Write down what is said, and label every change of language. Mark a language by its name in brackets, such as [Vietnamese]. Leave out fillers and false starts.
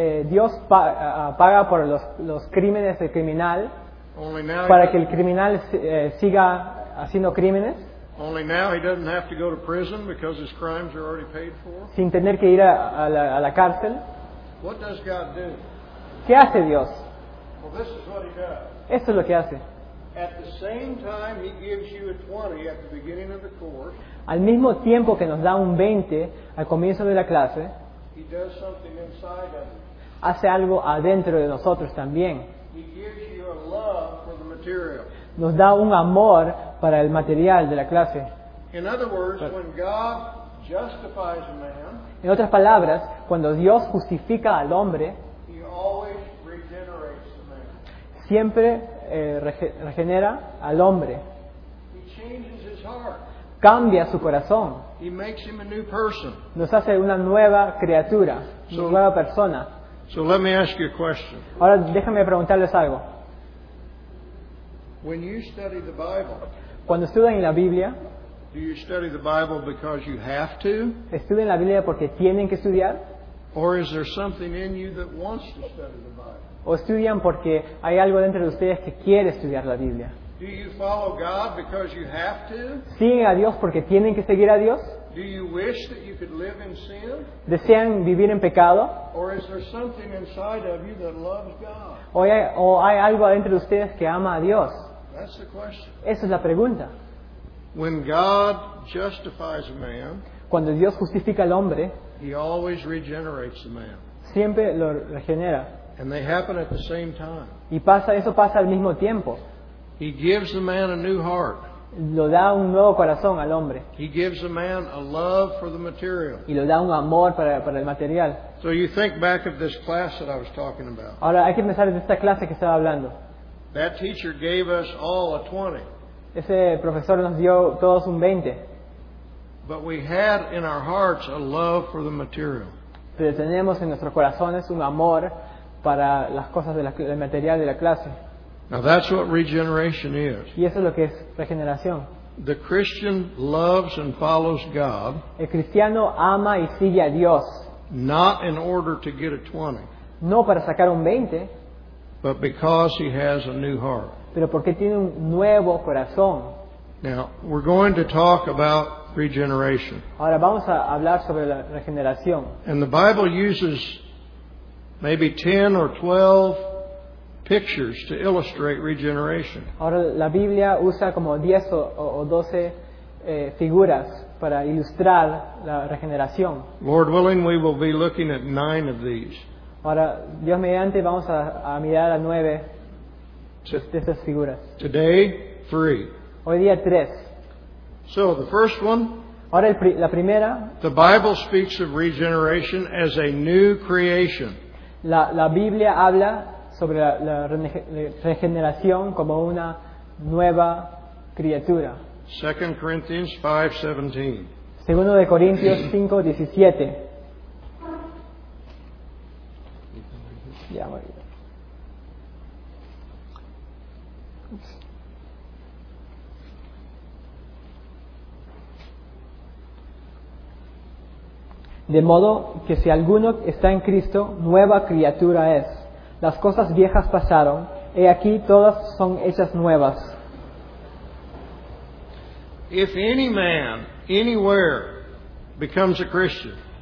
[Spanish] Dios paga por los crímenes del criminal para que el criminal siga haciendo crímenes. [English] Only now he doesn't have to go to prison because his crimes are already paid for. [Spanish] Sin tener que ir a la cárcel. [English] What does God do? [Spanish] ¿Qué hace Dios? [English] Well, this is what he does. [Spanish] Esto es lo que hace. [English] At the same time he gives you a 20 at the beginning of the course. [Spanish] Al mismo tiempo que nos da un 20 al comienzo de la clase, [English] he does something inside of you. [Spanish] Hace algo adentro de nosotros también. [English] He gives you a love for the material. [Spanish] Nos da un amor para el material de la clase. [English] In other words, when God justifies a man, [Spanish] en otras palabras, cuando Dios justifica al hombre, [English] he always regenerates the man. [Spanish] Siempre regenera al hombre. [English] He changes his heart. [Spanish] Cambia su corazón. [English] He makes him a new person. [Spanish] Nos hace una nueva criatura, una nueva persona. [English] So let me ask you a question. [Spanish] Ahora déjame preguntarles algo. [English] When you study the Bible, [Spanish] cuando estudian en la Biblia, [English] do you study the Bible because you have to? [Spanish] ¿Estudian la Biblia porque tienen que estudiar? [English] Or is there something in you that wants to study the Bible? [Spanish] ¿O estudian porque hay algo dentro de ustedes que quiere estudiar la Biblia? [English] Do you follow God because you have to? [Spanish] ¿Siguen a Dios porque tienen que seguir a Dios? [English] Do you wish that you could live in sin? [Spanish] ¿Desean vivir en pecado? [English] Or is there something inside of you that loves God? [Spanish] ¿O hay algo dentro de ustedes que ama a Dios? [English] That's the question. [Spanish] Esa es la pregunta. [English] When God justifies a man, [Spanish] cuando Dios justifica al hombre, [English] he always regenerates the man. [Spanish] Siempre lo regenera. [English] And they happen at the same time. [Spanish] Y pasa, eso pasa al mismo tiempo. [English] He gives the man a new heart. [Spanish] Lo da un nuevo corazón al hombre. [English] He gives the man a love for the material. [Spanish] Y lo da un amor para el material. [English] So you think back of this class that I was talking about. [Spanish] Ahora hay que pensar en esta clase que estaba hablando. [English] That teacher gave us all a 20. [Spanish] Ese profesor nos dio todos un 20. [English] But we had in our hearts a love for the material. [Spanish] Pero tenemos en nuestros corazones un amor para las cosas de la, el material de la clase. [English] Now that's what regeneration is. [Spanish] Y eso es lo que es regeneración. [English] The Christian loves and follows God. [Spanish] El cristiano ama y sigue a Dios. [English] Not in order to get a 20. [Spanish] No para sacar un 20. [English] But because he has a new heart. [Spanish] Pero porque tiene un nuevo corazón. [English] Now we're going to talk about regeneration. [Spanish] Ahora vamos a hablar sobre la regeneración. [English] And the Bible uses maybe 10 or 12 pictures to illustrate regeneration. [Spanish] Ahora la Biblia usa como 10 o 12 figuras para ilustrar la regeneración. [English] Lord willing, we will be looking at 9 of these. [Spanish] Ahora, Dios mediante, vamos a mirar a 9 de estas figuras. [English] Today, 3. [Spanish] Hoy día 3. [English] So, the first one. [Spanish] Ahora, la primera. [English] The Bible speaks of regeneration as a new creation. [Spanish] La Biblia habla sobre la regeneración como una nueva criatura. [English] 2 Corinthians 5:17. [Spanish] Segundo de Corintios 5:17. Yeah, de modo que si alguno está en Cristo, nueva criatura es. Las cosas viejas pasaron, y aquí todas son hechas nuevas. [English] If any man, anywhere, becomes a Christian,